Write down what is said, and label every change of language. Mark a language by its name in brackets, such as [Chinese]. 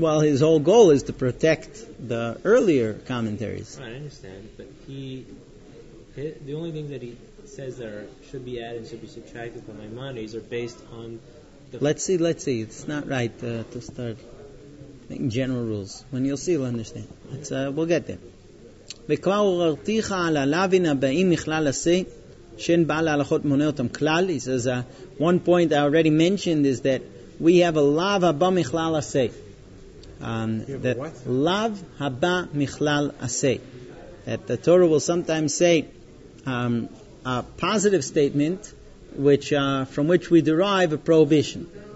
[English] Well, his whole goal is to protect the earlier commentaries. Right, I understand. But he... The only things that he says that should be added and should be subtracted from Maimonides are based on... Let's see. It's not right to start making general rules. When you'll see, you'll understand. We'll get there. [Hebrew] וכבר הורתיך על הלווין הבאים מכלל עשה שאין בעל ההלכות מונה אותם כלל. [English] He says, one point I already mentioned is that we have a love haba [Hebrew] מכלל עשה. [English] That love haba [Hebrew] מכלל עשה. [English] That the Torah will sometimes say a positive statement which from which we derive a prohibition.